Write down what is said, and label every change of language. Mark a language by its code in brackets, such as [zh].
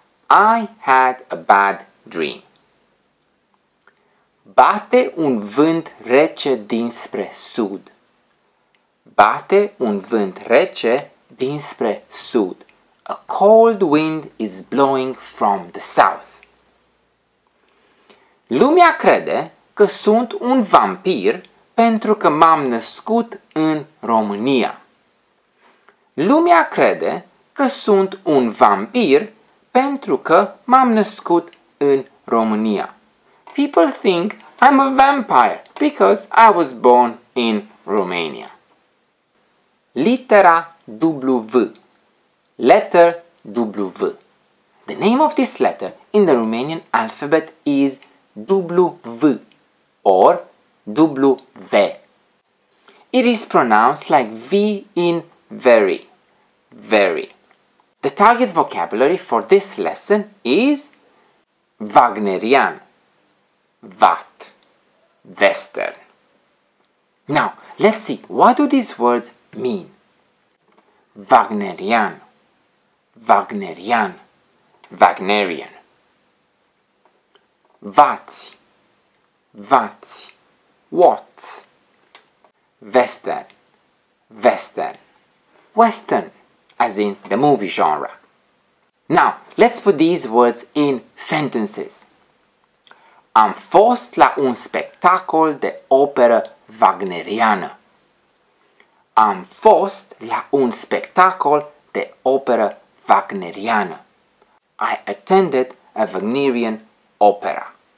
[en] I had a bad dream. [ro] Bate un vânt rece dinspre sud. Bate un vânt rece dinspre sud. [en] A cold wind is blowing from the south. [ro] Lumea crede că sunt un vampir pentru că m-am născut în România. Lumea crede că sunt un vampir pentru că m-am născut în România. [en] People think I'm a vampire because I was born in Romania. [ro] Litera W. [en] Letter W. The name of this letter in the Romanian alphabet is W or W. It is pronounced like V in very, very. The target vocabulary for this lesson is Wagnerian, Watt, Western. Now, let's see, what do these words mean? Wagnerian, Wagnerian, Wagnerian. Vați, vați, what? Western, Western, Western, as in the movie genre. Now, let's put these words in sentences. [ro] Am fost la un spectacol de operă wagneriană. Am fost la un spectacol de operă wagneriană. [en] I attended a Wagnerian opera.